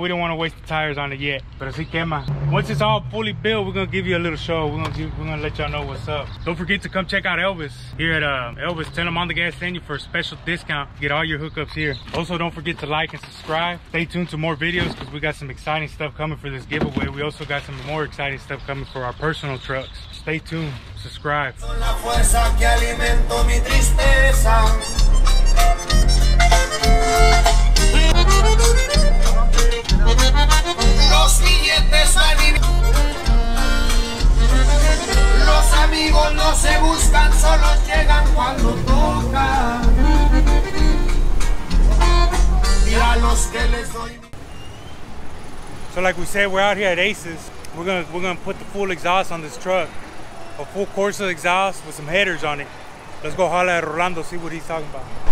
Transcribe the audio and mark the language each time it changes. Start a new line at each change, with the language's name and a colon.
English: We don't want to waste the tires on it yet. But
Spanish: así quema.
English: Once it's all fully built, we're gonna give you a little show. We're gonna let y'all know what's up. Don't forget to come check out Elvis here at Elvis. Tell them On the Gas send you for a special discount. Get all your hookups here. Also, don't forget to like and subscribe. Stay tuned to more videos because we got some exciting stuff coming for this giveaway. We also got some more exciting stuff coming for our personal trucks. Stay tuned. Subscribe.
Spanish: Los billetes a mi Los amigos no se buscan, solo llegan cuando toca. Y a los que les doy.
English: So like we said, we're out here at Aces. We're gonna put the full exhaust on this truck. A full course of exhaust with some headers on it. Let's go holler at Rolando, see what he's talking about.